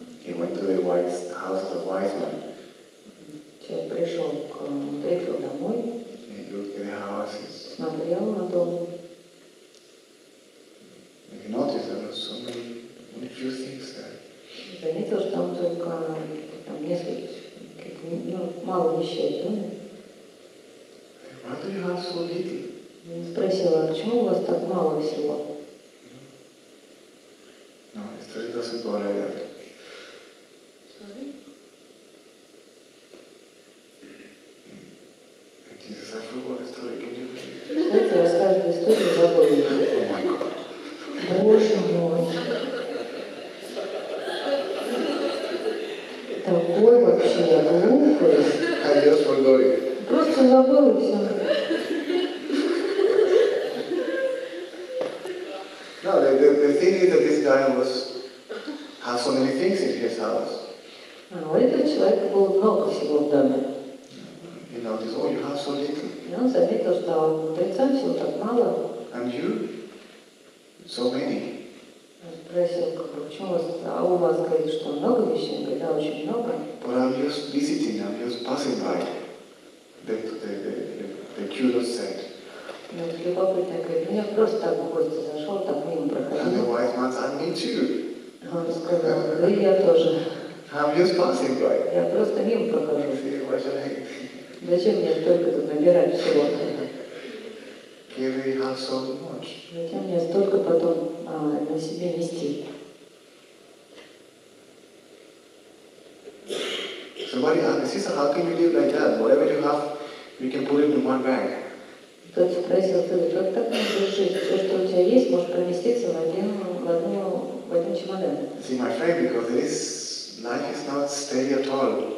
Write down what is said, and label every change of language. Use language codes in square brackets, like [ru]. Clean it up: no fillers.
[en] He went to the wise house of the wise man. [ru] Человек пришел к мудрецу домой. [en] He looked at the houses. [ru] Смотрел на дом. [en] He noticed there were so many. Few things there. [ru] Заметил, что там только там несколько, мало вещей, да? [en] Why do you have so little? [ru] Спросил, а почему у вас так мало всего? [en] No, the story doesn't go like that. Sorry? Jesus, I forgot the story. Can you please? [ru] Знаете, рассказывай историю, забыл. [en] Oh my God. [ru] Боже мой. Такой вообще глупый. Просто забыл и все. [en] No, the thing is that this guy was has so many things in his house. [ru] Ну, этот человек был много всего в доме. [en] You know, this, oh, you have so little. [ru] И он заметил, что у мудреца всего так мало. [en] And you? So many. [ru] Спросил, почему у вас говорит, что много вещей, он говорит, да, очень много. [en] But I'm just visiting, I'm just passing by the curious said. [ru] Ну, любопытно говорит, я просто так в гости зашел, так мимо проходил. [en] And the wise man said, me too. [ru] Он сказал, да и я тоже. [en] I'm just passing by. [ru] Я просто мимо прохожу. [en] See, why should I? [ru] Зачем мне столько тут набирать всего? [en] Carry her so much. [ru] Зачем мне столько потом на себе нести? [en] Somebody asked, sister, how can you live like that? Whatever you have, you can put it in one bag. [ru] Тот спросил, как так можно жить? Все, что у тебя есть, может поместиться в один чемодан. [en] See, my friend, because this life is not steady at all.